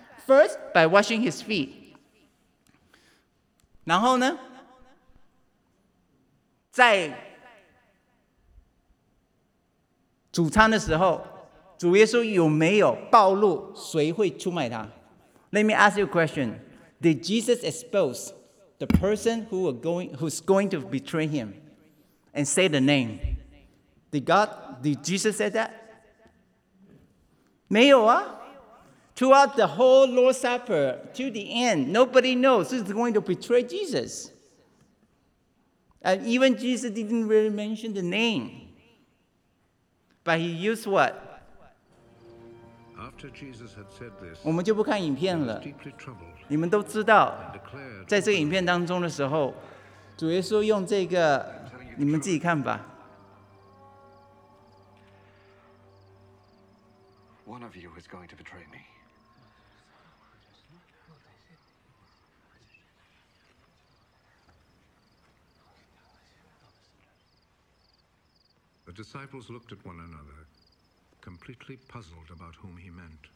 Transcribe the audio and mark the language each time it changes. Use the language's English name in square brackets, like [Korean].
[English] First by washing his feet. [Chinese] 然后呢，在主餐的时候，主耶稣有没有暴露谁会出卖他？ [English] Let me ask you a question. Did Jesus expose the person who's going to betray him and say the name? Did Jesus say that? [Chinese] 没有啊。 [English] Throughout the whole Lord's Supper, to the end, nobody knows who's going to betray Jesus. And even Jesus didn't really mention the name. But he used what? After Jesus had said this, [Chinese] 我们就不看影片了。你们都知道，在这个影片当中的时候，主耶稣用这个，你们自己看吧。 [English] One of you is going to betray me. The disciples looked at one another, completely puzzled about whom he meant.